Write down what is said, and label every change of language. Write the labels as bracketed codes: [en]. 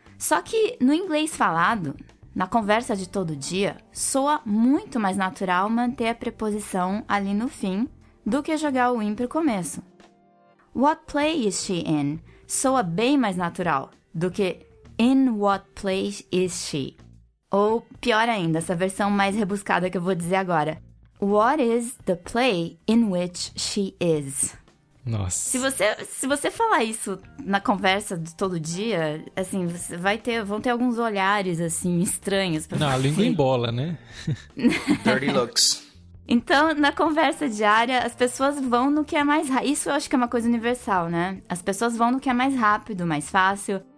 [pt] Só que no inglês falado, na conversa de todo dia, soa muito mais natural manter a preposição ali no fim do que jogar o in pro começo. [en] What play is she in? [pt] Soa bem mais natural do que [en] in what play is she? [pt] Ou pior ainda, essa versão mais rebuscada que eu vou dizer agora. [en] What is the play in which she is? [pt] Nossa. Se você falar isso na conversa de todo dia, assim, você vai ter, vão ter alguns olhares, assim, estranhos. Não, a língua embola, né? [en] Dirty looks. [pt] Então, na conversa diária, as pessoas vão no que é mais rápido. Isso eu acho que é uma coisa universal, né? As pessoas vão no que é mais rápido, mais fácil.